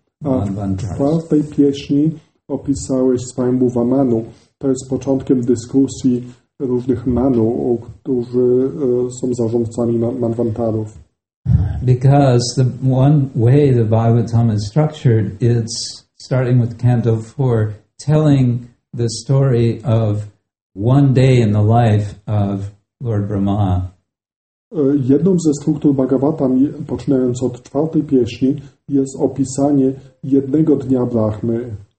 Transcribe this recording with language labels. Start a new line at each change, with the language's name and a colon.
Polish: W czwartej pieśni opisałeś Svayambhuva Manu. To jest początkiem dyskusji różnych Manu, którzy są zarządcami manvantarów.
English: Because the one way the Bhagavatam is structured, it's starting with canto 4, telling the story of one day in the life of Lord Brahma.
Polish: Jedną ze struktur Bhagavatam, poczynając od czwartej pieśni, jest opisanie jednego dnia Brahmy.